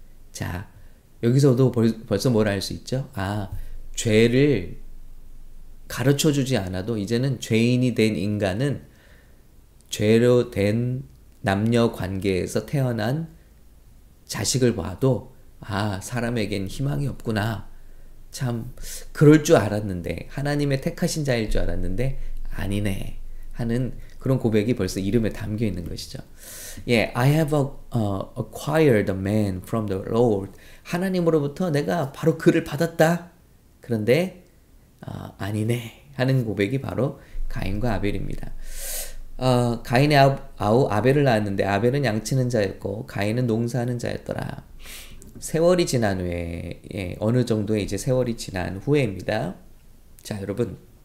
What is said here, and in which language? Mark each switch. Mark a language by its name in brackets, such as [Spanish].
[Korean] 자, 여기서도 벌써 뭘알수 있죠? 아, 죄를 가르쳐 주지 않아도 이제는 죄인이 된 인간은 죄로 된 남녀 관계에서 태어난 자식을 봐도 아, 사람에겐 희망이 없구나. 참, 그럴 줄 알았는데, 하나님의 택하신 자일 줄 알았는데, 아니네. 하는 그런 고백이 벌써 이름에 담겨 있는 것이죠. [English] I have acquired a man from the Lord. [Korean] 하나님으로부터 내가 바로 그를 받았다. 그런데, 아니네. 하는 고백이 바로 가인과 아벨입니다. 가인의 아우 아벨을 낳았는데, 아벨은 양치는 자였고, 가인은 농사하는 자였더라. 세월이 지난 후에, 어느 정도의 이제 세월이 지난 후에입니다. 자, 여러분.